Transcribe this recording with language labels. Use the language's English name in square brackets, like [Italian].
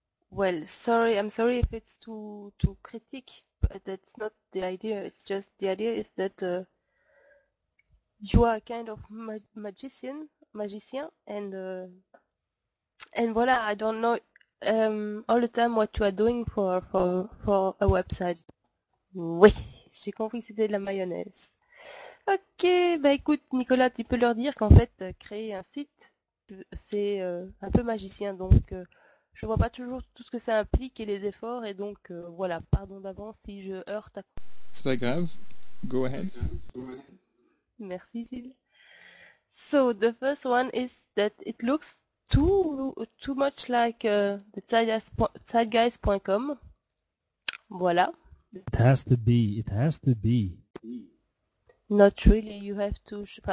[English] Well, sorry, I'm sorry if it's too critique, but that's not the idea. It's just the idea is that you are a kind of magician, and voilà, I don't know all the time what you are doing for a website. [French] Oui, j'ai compris que c'était de la mayonnaise. Ok, bah écoute, Nicolas, tu peux leur dire qu'en fait, créer un site, c'est un peu magicien, donc... Je vois pas toujours tout ce que ça implique et les efforts, et donc voilà, pardon d'avance si je heurte. C'est pas grave, [English] go ahead. [French] Merci Gilles. [English] So, the first one is that it looks too much like the zeitgeist.com. [French] Voilà. [English] It has to be. Not really, you have to...